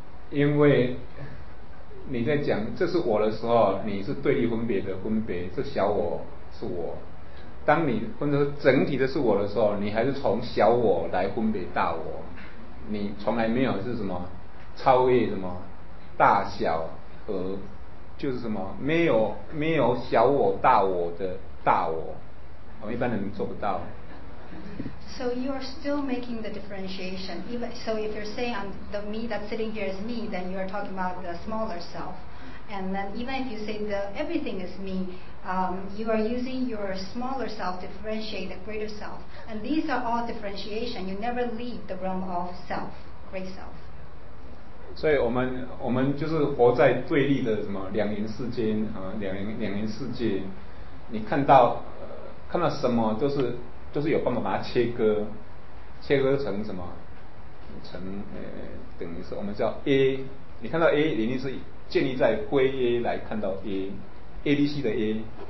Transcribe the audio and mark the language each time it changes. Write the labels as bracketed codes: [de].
[zh] 因为你在讲这是我的时候，你是对立分别的，分别是小我是我，当你分成整体的是我的时候，你还是从小我来分别大我，你从来没有是什么超越什么大小，而就是什么没有小我大我的大我，我一般人做不到。 [en] So you are still making the differentiation. Even, so if you're saying I'm the me that's sitting here is me, then you are talking about the smaller self. And then even if you say the everything is me, you are using your smaller self to differentiate the greater self. And these are all differentiation. You never leave the realm of self, great self. [zh] 所以我们就是活在对立的什么两元世界啊，两元世界。你看到什么都是。就是有办法把它切割成什么，成等于是我们叫 A， 你看到 A 一定是建立在归 A 来看到 A，ABC 的 A。